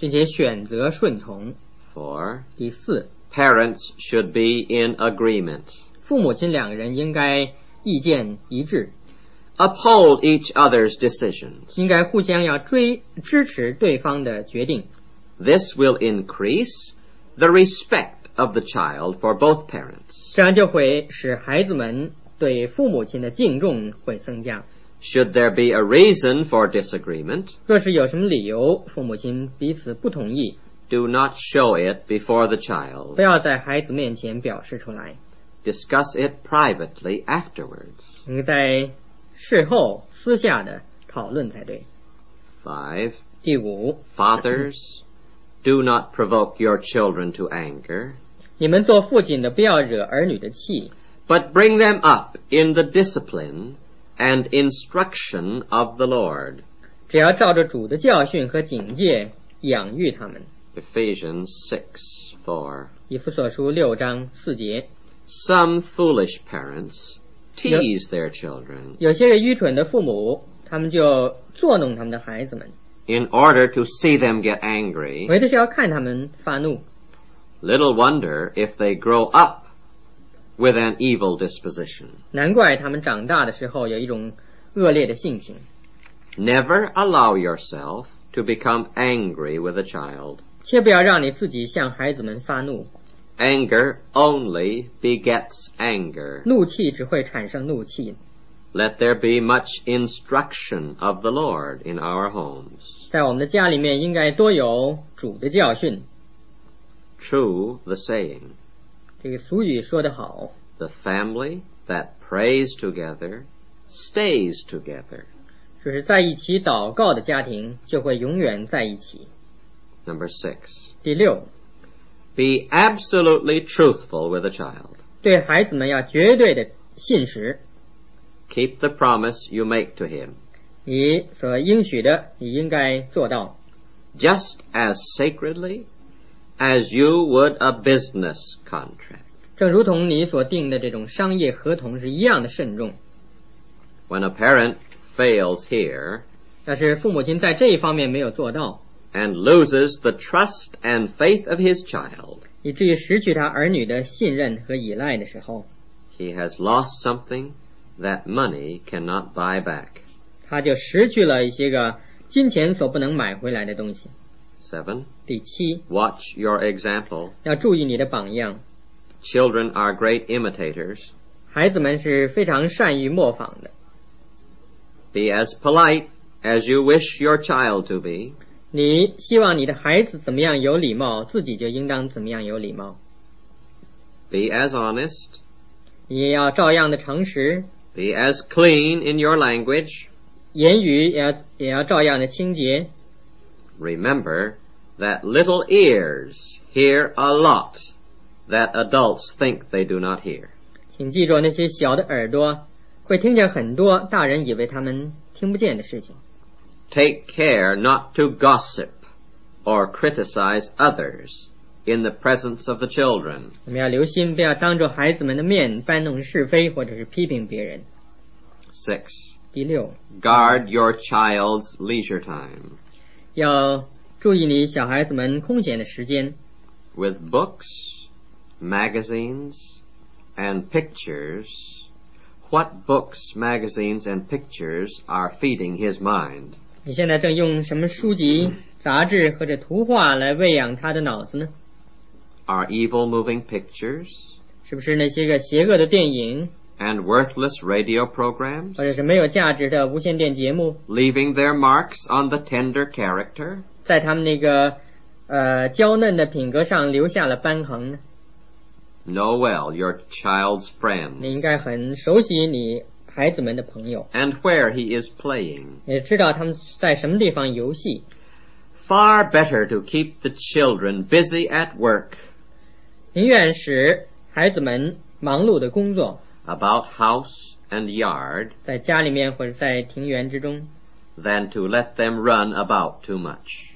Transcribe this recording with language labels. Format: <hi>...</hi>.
<zh>并且选择顺从。</zh> <en>For,</en> <zh>第四</zh> <en>parents should be in agreement.</en> <zh>父母亲两个人应该意见一致。</zh> <en>Uphold each other's decisions.</en> <zh>应该互相要支持对方的决定。</zh> <en>This will increase the respect of the child for both parents.</en> <zh>这样就会使孩子们对父母亲的敬重会增加。</zh> <en>Should there be a reason for disagreement?</en> <zh>若是有什么理由，父母亲彼此不同意。</zh> <en>Do not show it before the child.</en> <zh>不要在孩子面前表示出来。</zh> <en>Discuss it privately afterwards.</en> <zh>应该在事后私下的讨论才对。</zh> <en>Five.</en> <zh>第五。</zh> <en>Fathers, do not provoke your children to anger.</en> <zh>你们做父亲的不要惹儿女的气。</zh> <en>But bring them up in the discipline and instruction of the Lord.</en> <zh>只要照着主的教训和警戒养育他们。</zh> <en>Ephesians 6:4.</en> <zh>以弗所书六章四节。</zh> <en>Some foolish parents tease their children.</en> <zh>有些愚蠢的父母，他们就作弄他们的孩子们。</zh> <en>In order to see them get angry.</en> <zh>为的是要看他们发怒。</zh> <en>Little wonder if they grow up with an evil disposition.</en> <zh>难怪他们长大的时候有一种恶劣的性情。</zh> <en>Never allow yourself to become angry with a child.</en> <zh>切不要让你自己向孩子们发怒。</zh> <en>Anger only begets anger.</en> <zh>怒气只会产生怒气。</zh> <en>Let there be much instruction of the Lord in our homes.</en> <zh>在我们的家里面应该多有主的教训。</zh> <en>True the saying.</en> <zh>这个俗语说得好。</zh> <en>The family that prays together stays together.</en> <zh>就是在一起祷告的家庭就会永远在一起。</zh> <en>Number six.</en> <zh>第六。</zh> <en>Be absolutely truthful with a child.</en> <zh>对孩子们要绝对的信实。</zh> <en>Keep the promise you make to him.</en> <zh>你所应许的你应该做到。</zh> <en>Just as sacredly as you would a business contract.</en> <zh>正如同你所定的这种商业合同是一样的慎重。</zh> <en>When a parent fails here,</en> <zh>要是父母亲在这一方面没有做到，</zh> <en>and loses the trust and faith of his child,</en> <zh>以至于失去他儿女的信任和依赖的时候，</zh> <en>he has lost something that money cannot buy back.</en> <zh>他就失去了一些个金钱所不能买回来的东西。</zh> <en>Seven.</en> <zh>第七。</zh> <en>Watch your example.</en> <zh>要注意你的榜样。</zh> <en>Children are great imitators.</en> <zh>孩子们是非常善于模仿的。</zh> <en>Be as polite as you wish your child to be.</en> <zh>你希望你的孩子怎么样有礼貌，自己就应当怎么样有礼貌。</zh> <en>Be as honest.</en> <zh>你也要照样的诚实。</zh> <en>Be as clean in your language.</en> <zh>言语也要照样的清洁。</zh> <en>Remember that little ears hear a lot that adults think they do not hear.</en> <zh>请记住那些小的耳朵会听见很多大人以为他们听不见的事情。</zh> <en>Take care not to gossip or criticize others in the presence of the children.</en> <zh>我们要留心，不要当着孩子们的面搬弄是非，或者是批评别人。</zh> <en>Six.</en> <zh>第六。</zh> <en>Guard your child's leisure time.</en> <zh>要注意你小孩子们空闲的时间。</zh> <en>With books, magazines, and pictures. What books, magazines, and pictures are feeding his mind?</en> <zh>你现在正用什么书籍、杂志或者图画来喂养他的脑子呢？</zh> <en>Are evil moving pictures?</en> <zh>是不是那些个邪恶的电影？</zh> <en>And worthless radio programs?</en> <zh>或者是没有价值的无线电节目？</zh> <en>Leaving their marks on the tender character?</en> <zh>在他们那个娇嫩的品格上留下了斑痕呢？</zh> <en>Know well your child's friends.</en> <zh>你应该很熟悉你孩子们的朋友。</zh> <en>And where he is playing.</en> <zh>也知道他们在什么地方游戏。</zh> <en>Far better to keep the children busy at work.</en> <zh>宁愿使孩子们忙碌的工作。</zh> <en>About house and yard</en> <zh>在家里面或者在庭园之中</zh> <en>than to let them run about too much</en>